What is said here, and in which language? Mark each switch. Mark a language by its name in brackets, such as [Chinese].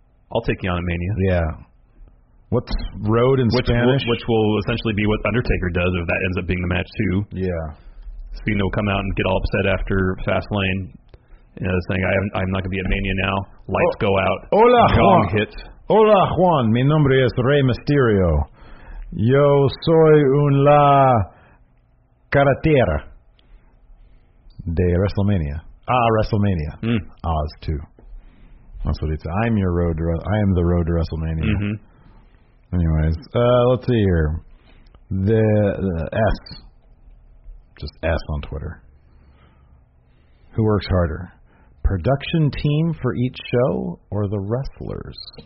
[English] I'll take you on a Mania. Yeah. What's road in Spanish? Which will essentially be what Undertaker does if that ends up being the match, too. Yeah. Cena will come out and get all upset after Fastlane. You know, saying, I'm not going to be at Mania now. Lights go out. [Spanish] Hola, Juan. [English] Gong hits. [Spanish] Hola, Juan. Mi nombre es Rey Mysterio. Yo soy un la carretera de WrestleMania. [English] Ah, WrestleMania. Mm. Oz, too. That's what he said. I'm your road to I am the road to WrestleMania. Mm-hmm. Anyways, let's see here. The S. Just S on Twitter. Who works harder? Production team for each show or the wrestlers?